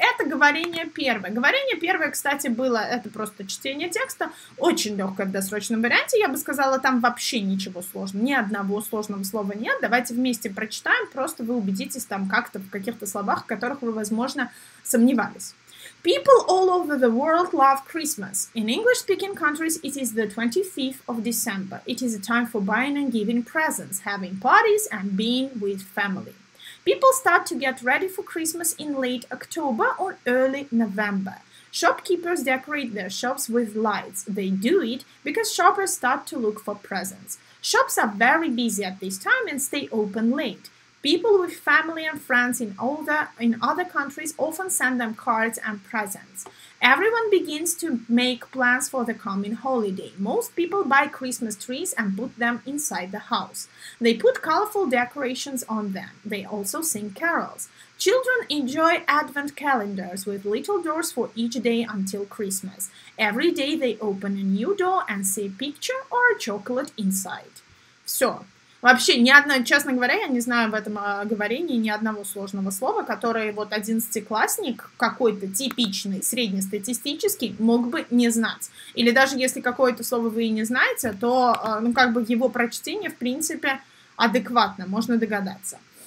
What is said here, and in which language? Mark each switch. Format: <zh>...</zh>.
<ru>Это говорение первое. Говорение первое, кстати, было, это просто чтение текста. Очень легкое в досрочном варианте. Я бы сказала, там вообще ничего сложного. Ни одного сложного слова нет. Давайте вместе прочитаем, просто вы убедитесь там как-то в каких-то словах, в которых вы, возможно, сомневались.</ru> <en>People all over the world love Christmas. In English-speaking countries, it is the 25th of December. It is a time for buying and giving presents, having parties, and being with family. People start to get ready for Christmas in late October or early November. Shopkeepers decorate their shops with lights. They do it because shoppers start to look for presents. Shops are very busy at this time and stay open late. People with family and friends in other countries often send them cards and presents. Everyone begins to make plans for the coming holiday. Most people buy Christmas trees and put them inside the house. They put colorful decorations on them. They also sing carols. Children enjoy advent calendars with little doors for each day until Christmas. Every day they open a new door and see a picture or a chocolate inside.</en> <ru>So, вообще, ни одно, честно говоря, я не знаю в этом говорении ни одного сложного слова, которое вот одиннадцатиклассник какой-то типичный, среднестатистический, мог бы не знать. Или даже если какое-то слово вы и не знаете, то, ну, как бы его прочтение, в принципе, адекватно, можно догадаться.</ru>